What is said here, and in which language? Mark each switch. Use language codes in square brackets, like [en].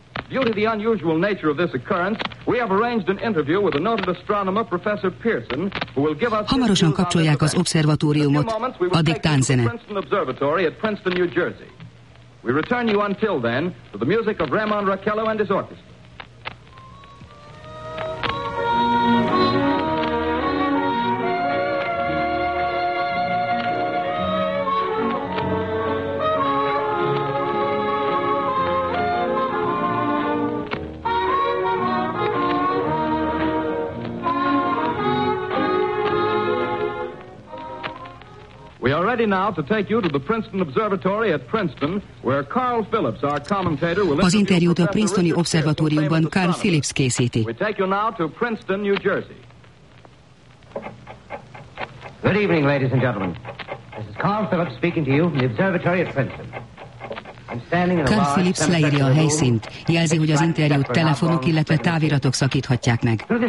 [en] Due to the unusual nature of this occurrence, we have arranged an interview with a noted astronomer, Professor Pearson, who will give us. [hu] Hamarosan kapcsolják az observatóriumot. Addig tánzene. [en] Princeton Observatory at Princeton, New Jersey. We return you until then to the music of Ramon Raquello and his orchestra. Ready now to take you to the Princeton Observatory at Princeton, where Carl Phillips, our commentator, will. [hu] Az interjút a Princetoni Obszervatóriumban Carl Phillips készíti. [en] We take you now to Princeton, New Jersey. Good evening, ladies and gentlemen. This is Carl Phillips speaking to you from the Observatory at Princeton. [hu] Carl Phillips leírja a helyszínt, jelzi, hogy az interjút telefonok, illetve táviratok szakíthatják meg.